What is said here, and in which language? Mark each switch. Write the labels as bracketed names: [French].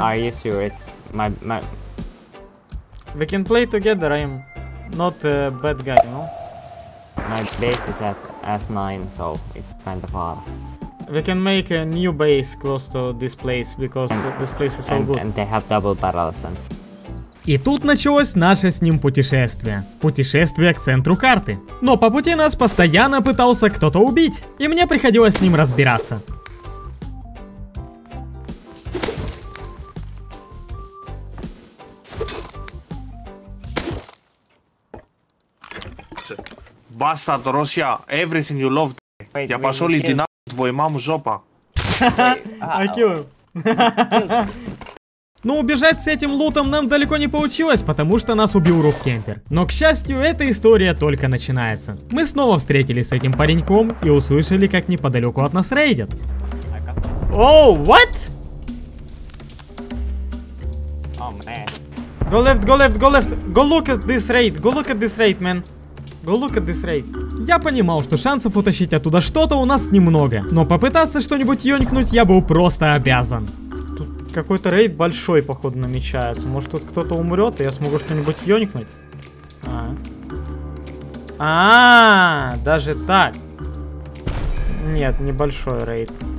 [English] Are you sure? It's my... We can play together. I'm not a bad guy, you know? My base is at S9, so it's kind of hard. We can make a new base close to this place, because this place is so good. And they have double barrels and... [Russian] И тут началось наше с ним путешествие. Путешествие к центру карты. Но по пути нас постоянно пытался кто-то убить, и мне приходилось с ним разбираться. [English] Bastard, Russia, everything you love. [Russian] Wait, я пошел иди на твою маму жопа. Но убежать с этим лутом нам далеко не получилось, потому что нас убил Руфкемпер. Но к счастью, эта история только начинается. Мы снова встретились с этим пареньком и услышали, как неподалеку от нас рейдят. [English] Oh, what? Oh, man. Go left, go left, go left. Go look at this raid, go look at this raid, man. Go look at this raid. [Russian] Я понимал, что шансов утащить оттуда что-то у нас немного, но попытаться что-нибудь ёнькнуть я был просто обязан. Тут какой-то рейд большой, походу, намечается. Может, тут кто-то умрет, и я смогу что-нибудь ёнькнуть? Даже так. Нет, небольшой рейд.